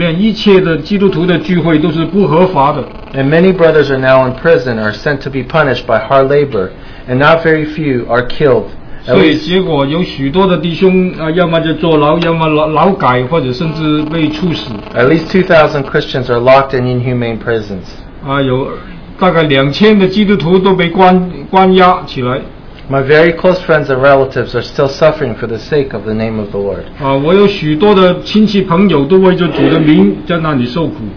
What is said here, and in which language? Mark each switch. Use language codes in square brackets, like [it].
[zh] 2002年开始，他们就说在这个国家的里面，一切的基督徒的聚会都是不合法的。 [en] And many brothers are now in prison or sent to be punished by hard labor, and not very few are killed. [zh] 所以结果有许多的弟兄，要么就坐牢，要么劳改，或者甚至被处死。 [en] At least 2,000 Christians are locked in inhumane prisons. [zh] 有大概2,000的基督徒都被关押起来。 [en] My very close friends and relatives are still suffering for the sake of the name of the Lord. [zh] 我有许多的亲戚朋友都为着主的名在那里受苦。